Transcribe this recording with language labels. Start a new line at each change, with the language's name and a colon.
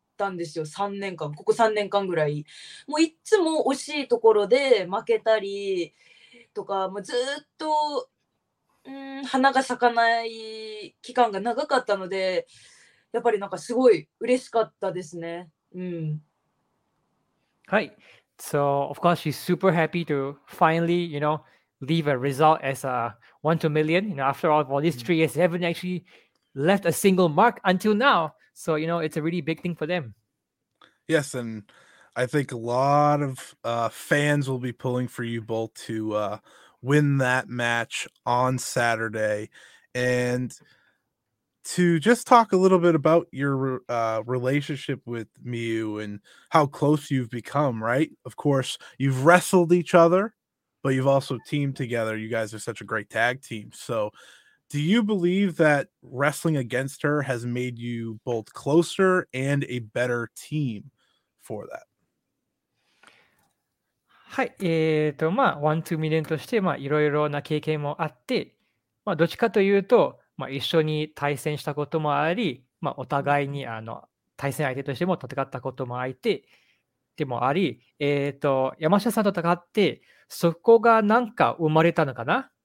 Japanese: たんですよ3年間ここ3年間ぐらいもういつも惜しいところで負けたりとかもうずっと花が咲かない期間が長かったのでやっぱりなんかすごい嬉しかったですね。はい。
English: So of course she's super happy to finally you know leave a result as a 1-2 million. You know after all these 3 years they haven't actually left a single mark until now. So, you know, it's a really big thing for them. Yes, and I think a lot of fans will be pulling for you both to win that match on Saturday. And to just talk a little bit about your relationship with Miyu and how close you've become, right? Of course, you've wrestled each other, but you've also teamed together. You guys are such a great tag team. So... Do you believe that wrestling against her has made you both closer and a better team for that?
Japanese: はい、まあ、ワン・ツー・ミリオンとして、まあ、いろいろな経験もあって、まあ、どっちかというと、まあ、一緒に対戦したこともあり、まあ、お互いに対戦相手としても戦ったこともあって、でもあり、山下さんと戦って、そこがなんか生まれたのかな？